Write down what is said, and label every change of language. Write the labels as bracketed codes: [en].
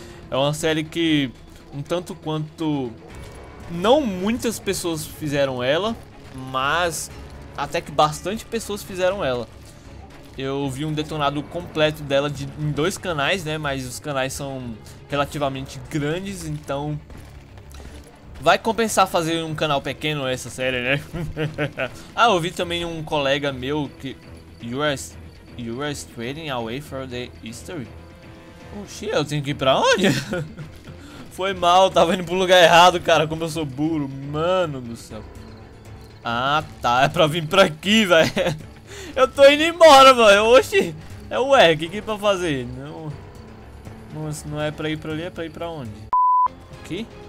[pt] É uma série que, um tanto quanto, não muitas pessoas fizeram ela, mas até que bastante pessoas fizeram ela. Eu vi um detonado completo dela em dois canais, né, mas os canais são relativamente grandes, então vai compensar fazer um canal pequeno essa série, né? Ah, eu vi também um colega meu que... [en] You are straying away for the history. [pt] Oxi, eu tenho que ir pra onde? Foi mal, tava indo pro lugar errado, cara. Como eu sou burro, mano do céu. Ah, tá. É pra vir pra aqui, velho. Eu tô indo embora, mano. Oxi, é ué, o que é pra fazer? Não, nossa, não é pra ir pra ali, é pra ir pra onde? Aqui?